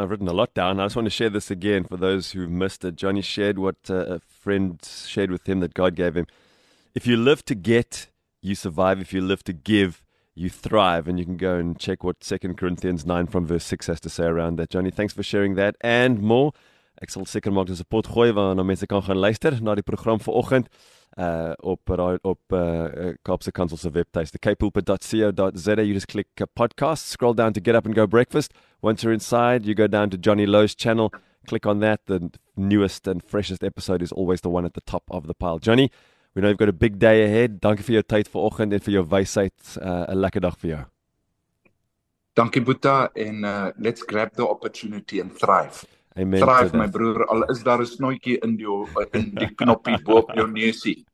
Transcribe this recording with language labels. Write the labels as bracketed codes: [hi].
[en] I've written a lot down. I just want to share this again for those who missed it. Johnny shared what a friend shared with him that God gave him. If you live to get, you survive. If you live to give, you thrive. And you can go and check what 2 Corinthians 9 from verse 6 has to say around that. Johnny, thanks for sharing that and more. [af] Ek sal seker maak dis 'n pot gooi waarna mense kan gaan luister na die program vanoggend op Kaapse Kansel se webtuis, thecapepulpit.co.za. [en] You just click podcast, scroll down to Get Up and Go Breakfast. Once you're inside, you go down to Johnny Lowe's channel, click on that. The newest and freshest episode is always the one at the top of the pile. Johnny, we know you've got a big day ahead. [af] Dankie vir jou tyd vanoggend en vir jou wysheid. 'N lekker dag vir jou. Dankie Boeta en [en] let's grab the opportunity and thrive. Amen. [af] Thrive my broer, al is daar 'n snoetjie in die knoppie bo op jou neusie.